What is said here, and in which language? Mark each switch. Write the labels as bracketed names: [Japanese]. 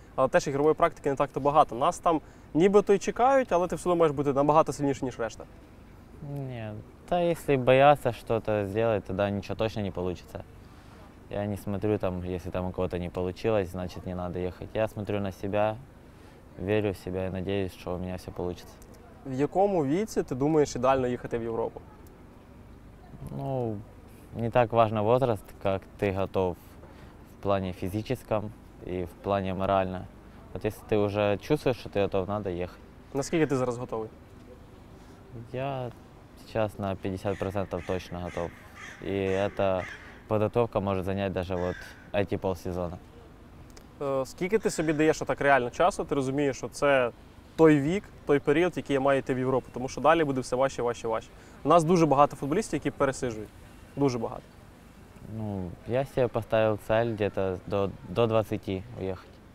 [Ukrainian] Але теж ігрової практики не так-то багато. Нас там нібито й чекають, але ти все одно маєш бути набагато сильніший, ніж решта. Ні. [Russian] Да, если бояться что-то сделать, тогда ничего точно не получится. Я не смотрю, там, если там у кого-то не получилось, значит, не надо ехать. Я смотрю на себя, верю в себя и надеюсь, что у меня все получится. [Ukrainian] В якому віці [Russian] ты думаешь ідеально ехать в Европу? Ну, не так важно возраст, как ты готов в плане физическом и в плане морально. Вот если ты уже чувствуешь, что ты готов, надо ехать. [Ukrainian] Наскільки ты зараз готовый? [Russian] Я сейчас на 50% точно готов. И эта подготовка может занять даже вот эти полсезона. [Ukrainian] Скільки ти собі даєш так реально часу? Ти розумієш, що це той вік, той період, який я маю йти в Європу. Тому що далі буде все важче, важче, важче. У нас дуже багато футболістів, які пересиджують. Дуже багато. Ну, я себе поставив ціль десь до 20 уїхати.